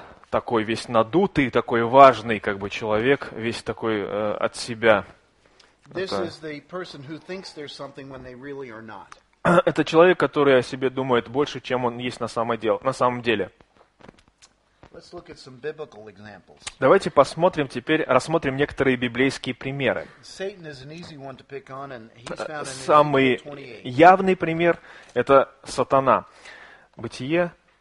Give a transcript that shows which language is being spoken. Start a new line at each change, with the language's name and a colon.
Russian: Такой весь надутый, такой важный как бы человек, весь такой от себя.
English: This is the person who thinks there's something when they really are not.
Russian: Это человек, который о себе думает больше, чем он есть на самом деле.
English: Let's look at some biblical examples.
Russian: Давайте посмотрим теперь, рассмотрим некоторые библейские примеры.
English: Satan is an easy one to pick on, and he's found in
Russian: Самый явный пример – это сатана. Бытие.